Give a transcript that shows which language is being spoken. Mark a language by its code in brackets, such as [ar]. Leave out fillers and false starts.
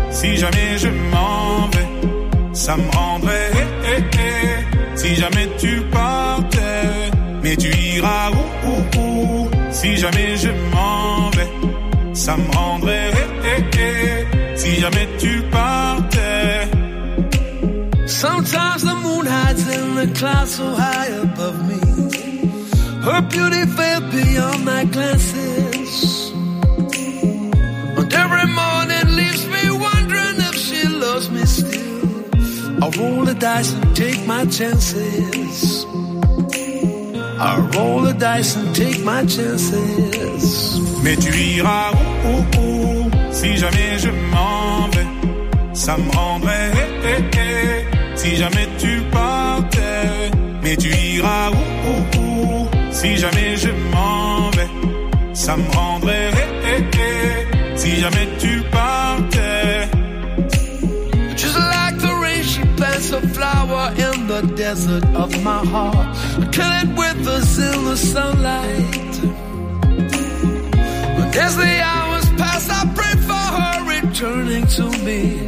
[fr] Si jamais je m'en vais, ça me rendrait hé, hé, hé. Si jamais tu partais, mais tu iras où, où, où. Si jamais je m'en vais, ça me rendrait hé, hé, hé. Si jamais tu partais. [en] Sometimes the moon hides in the clouds so high above me. Her beauty fell beyond my glances. And every morning leaves me wondering if she loves me still. I roll the dice and take my chances. I roll the dice and take my chances. [fr] Mais tu iras où, où, où. Si jamais je m'en vais, ça me rendrait hé, hé, hé. Si jamais tu partais, mais tu iras où, où, où. Si jamais je m'en vais, ça me rendrait hé, hé, hé. Si jamais tu partais. [en] Just like the rain, she plants a flower in the desert of my heart. Kill it with the silver sunlight. But as the hours pass, I pray for her returning to me.